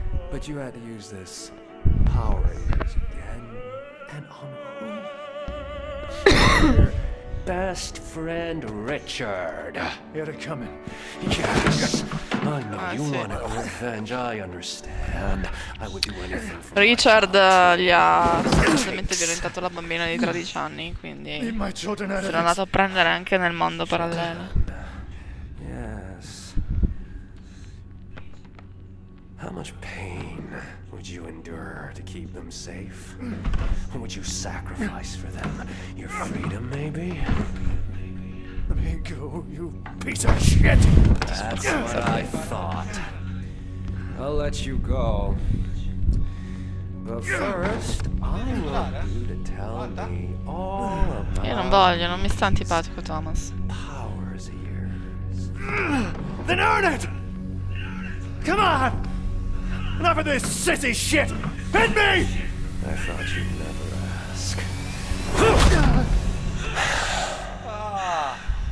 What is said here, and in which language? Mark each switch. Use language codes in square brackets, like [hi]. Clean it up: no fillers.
[en] But you had to use this power use again. And on who? Best friend Richard. He had it coming. Yes. I know you want to revenge, I understand. I would do anything for [it] Richard gli ha sostanzialmente violentato la bambina di 13 anni, quindi se l'ha andato a prendere anche nel mondo parallelo. [en] Yes. How much pain would you endure to keep them safe? What would you sacrifice for them? Your freedom, maybe? Let me go, you piece of shit! That's what I thought. I'll let you go. But first, I want you to tell me all about... [it] Io non voglio, non mi sta antipatico, Thomas. [en] ...powers of yours. Then earn it! Come on! Enough of this sissy shit! Hit me! I thought you'd never ask.